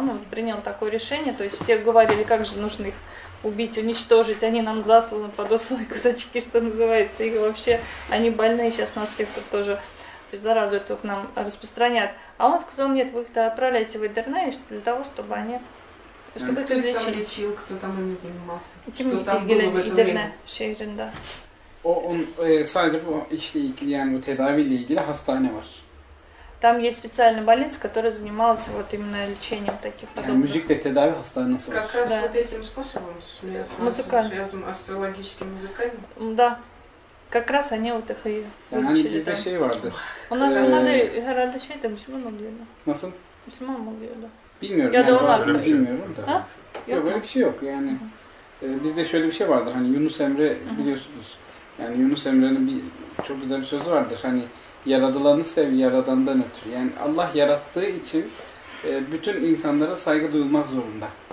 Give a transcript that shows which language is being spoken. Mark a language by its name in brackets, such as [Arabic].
[Russian] Он вот принял такое решение. То есть все говорили, как же нужно их убить, уничтожить. Они нам засланы под усы казачки, что называется. И вообще они больные, сейчас нас всех тут тоже заразу эту к нам распространят. А он сказал, нет, вы их-то отправляете в Эдирне для того, чтобы они... Чтобы кто их там лечил, кто там ими занимался? [Turkish] Ким ilgilendi İdirne şehrinde? O on sadece bu işle ilgili yani bu tedaviyle ilgili hastane var. [Russian] Там есть специальная больница, которая занималась вот именно лечением таких подобных. [Turkish] Yani müzikle tedavi hastanesi var. [Russian] Как раз да. Вот этим способом связан астрологический музыкальный. Да. Как раз они вот их и вылечили. [Turkish] Yani hani bizde [Russian] там. [Turkish] Şey vardır. [Russian] У нас в Монголии, [Turkish] herhalde şey de Müslüman oluyor. Nasıl? Müslüman oluyor da. Bilmiyorum ya yani bazen bilmiyorum da. Yok öyle bir şey yok yani. Bizde şöyle bir şey vardır hani Yunus Emre biliyorsunuz. Yani Yunus Emre'nin bir çok güzel bir sözü vardır. Hani yaradılanı sev yaradandan ötürü. Yani Allah yarattığı için bütün insanlara saygı duyulmak zorunda.